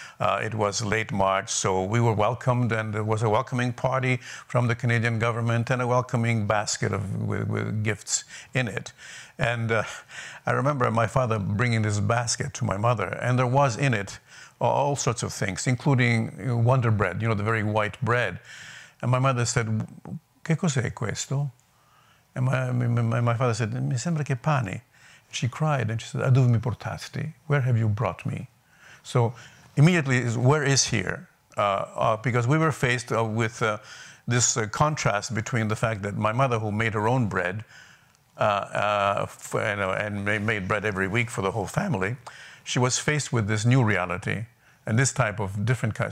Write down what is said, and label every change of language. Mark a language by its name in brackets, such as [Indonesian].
[English] It was late March, so we were welcomed, and there was a welcoming party from the Canadian government and a welcoming basket of with gifts in it. And I remember my father bringing this basket to my mother, and there was in it all sorts of things, including Wonder Bread, you know, the very white bread. And my mother said, [Italian] "Che cos'è questo?" [English] And my father said, [Italian] "Mi sembra che pane." [English] She cried, and she said, [Italian] "A dove mi portasti? [English] Where have you brought me?" So immediately, where is here? Because we were faced with this contrast between the fact that my mother, who made her own bread, and made bread every week for the whole family, she was faced with this new reality and this type of different kind.